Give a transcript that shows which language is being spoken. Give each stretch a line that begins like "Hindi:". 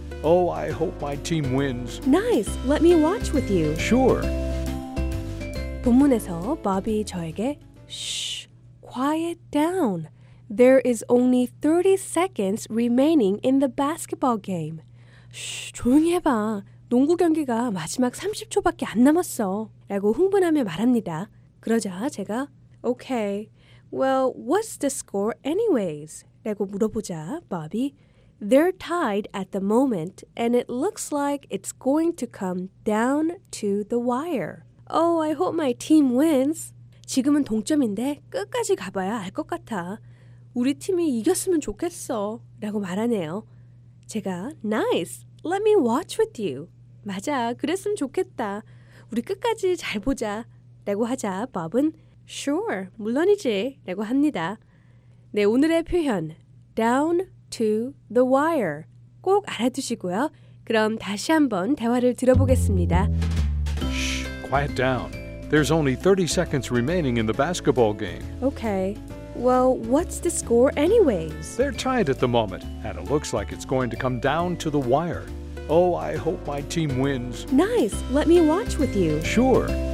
English: Oh, I hope my team wins. Nice. Let me watch with you. Sure.
Korean: 본문에서 바비 저에게
English: Shh, quiet down. There is only 30 seconds remaining in the basketball game. Shh,
Korean: 조용히 해봐. 농구 경기가 마지막 30초밖에 안 남았어. 라고 흥분하며 말합니다. 그러자 제가
English: Okay, well, what's the score anyways?
Korean: 라고 물어보자 바비
English: They're tied at the moment and it looks like it's going to come down to the wire. Oh, I hope my team wins.
Korean: 지금은 동점인데 끝까지 가봐야 알 것 같아. 우리 팀이 이겼으면 좋겠어. 라고 말하네요. 제가
English: Nice. Let me watch with you.
Korean: 맞아. 그랬으면 좋겠다. 우리 끝까지 잘 보자. 라고 하자 Bob은
English: Sure.
Korean: 물론이지. 라고 합니다. 네, 오늘의 표현
English: Down to the wire.
Korean: 꼭 알아두시고요. 그럼 다시 한번 대화를 들어보겠습니다.
English: Quiet down. There's only 30 seconds remaining in the basketball game. Okay. Well, what's the score anyways? They're tied at the moment, and it looks like it's going to come down to the wire. Oh, I hope my team wins. Nice. Let me watch with you. Sure.